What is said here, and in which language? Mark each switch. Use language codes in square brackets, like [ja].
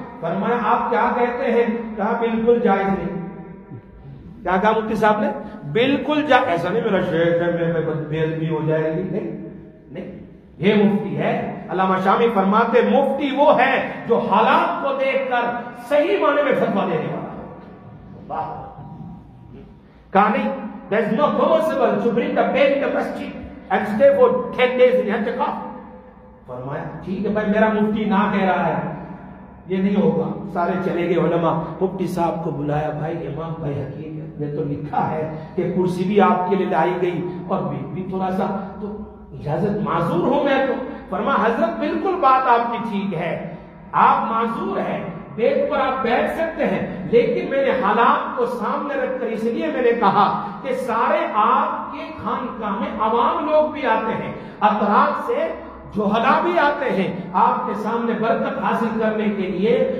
[ur] فرمایا آپ کیا کہتے ہیں؟ کہا بالکل جائز نہیں. کیا کہا مفتی صاحب نے؟ بالکل جائز. ایسا نہیں میرا شیخ ہے میں بے ادبی ہو جائے گی. نہیں, یہ مفتی ہے. علامہ شامی فرماتے مفتی وہ ہے جو حالات کو دیکھ کر صحیح معنی میں فتویٰ دینے والا. کہا نہیں, [en] there is no possible to bring the pain to masjid and stay for 10 days in i'tikaf. [ur] فرمایا ٹھیک ہے بھائی, میرا مفتی نہ کہہ رہا ہے یہ نہیں ہوگا. سارے چلے گئے علماء. مفتی صاحب کو بلایا, بھائی امام بھائی حقیقت میں تو لکھا ہے کہ کرسی بھی آپ کے لیے لائی گئی اور بیگ بھی تھوڑا سا, تو اجازت معذور ہوں میں تو. فرما حضرت بالکل بات آپ کی ٹھیک ہے, آپ معذور ہیں, بیگ پر آپ بیٹھ سکتے ہیں, لیکن میں نے حالات کو سامنے رکھ کر اس لیے میں نے کہا کہ سارے آپ کے خانقاہ میں عوام لوگ بھی آتے ہیں, اطراف سے جوہلا بھی آتے ہیں آپ کے سامنے برکت حاصل کرنے کے لیے,